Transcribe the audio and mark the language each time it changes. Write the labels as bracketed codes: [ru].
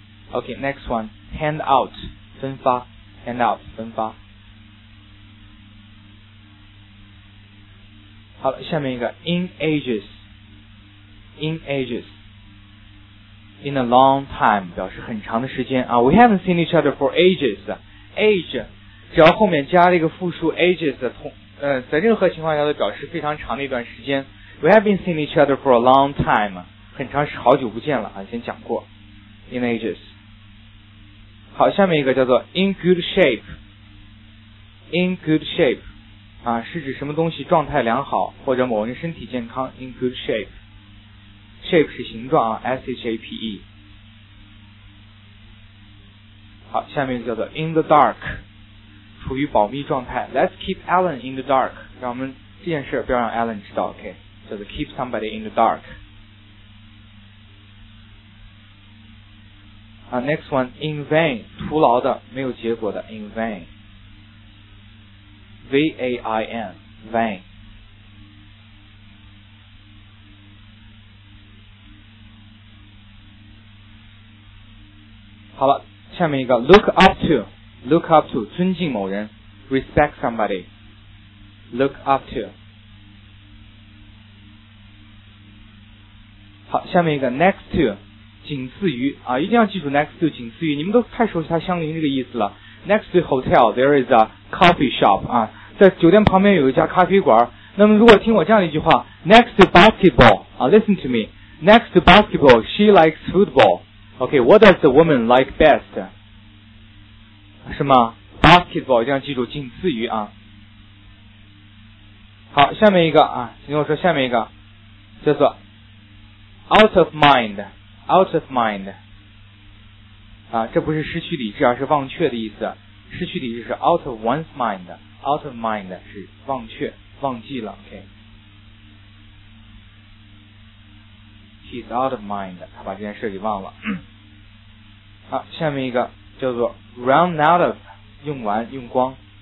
[en] OK， next one， hand out， 分发， hand out， 分发。 [zh] 好了，下面一个 [en] in ages， in ages， in a long time [zh] 表示很长的时间啊。 [en] We haven't seen each other for ages， [zh] age 只要后面加了一个复数 ages， 在任何情况下都表示非常长的一段时间。 [en] We haven't seen each other for a long time， [zh] 很长时好久不见了啊，先讲过 [en] in ages。 [zh] 好，下面一个叫做 in good shape， in good shape， 啊，是指什么东西状态良好，或者某人身体健康 in good shape， shape 是形状啊 ，shape。好，下面一个叫做 in the dark， 处于保密状态 ， [en] let's keep Alan in the dark， [zh] 让我们这件事不要让 Alan 知道 ，OK， 叫做 keep somebody in the dark。 [en] Next one, in vain, [zh] 徒劳的，没有结果的 [en] ,in vain. V-A-I-N, vain. [zh] 好了，下面一个 [en] look up to, [zh] 尊敬某人 [en] ,respect somebody, look up to. [zh] 好，下面一个 next to,仅次于啊，一定要记住 next to 仅次于，你们都太熟悉它相邻这个意思了。 [en] Next to hotel there is a coffee shop [zh] 啊，在酒店旁边有一家咖啡馆。那么如果听我这样一句话 [en] ，next to basketball 啊 ，listen to me，next to basketball she likes football。 OK，what does the woman like best？ [zh] 是吗 ？Basketball 一定要记住仅次于啊。好，下面一个啊，请跟我说下面一个叫做 out of mind。 Out of mind， 啊，这不是失去理智，而是忘却的意思。失去理智是 out of one's mind， out of mind 是忘却、忘记了。 [en] OK， he's out of mind， [zh] 他把这件事给忘了。好，下面一个叫做 run out of， 用完、用光。